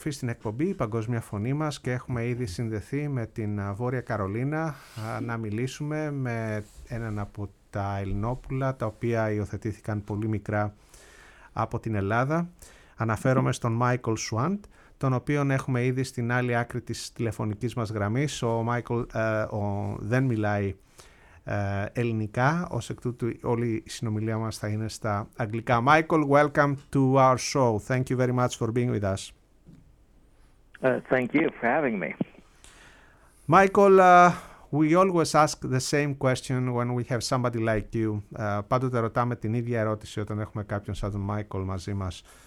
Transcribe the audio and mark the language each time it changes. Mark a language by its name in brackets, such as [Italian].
[Greek] Αφή στην εκπομπή η Παγκόσμια Φωνή μας και έχουμε ήδη συνδεθεί με την Βόρεια Καρολίνα να μιλήσουμε με έναν από τα Ελληνόπουλα τα οποία υιοθετήθηκαν πολύ μικρά από την Ελλάδα. Αναφέρομαι στον Μάικλ Σουάντ, τον οποίον έχουμε ήδη στην άλλη άκρη της τηλεφωνικής μας γραμμής. Ο Μάικλ δεν μιλάει ελληνικά, ως εκ τούτου όλη η συνομιλία μας θα είναι στα αγγλικά. [English] Μάικλ, welcome to our show. Thank you very much for being with us. Thank you for having me. Michael, we always ask the same question when we have somebody like you. [Greek] Πάντοτε ρωτάμε την ίδια ερώτηση όταν έχουμε κάποιον σαν τον Michael μαζί μας.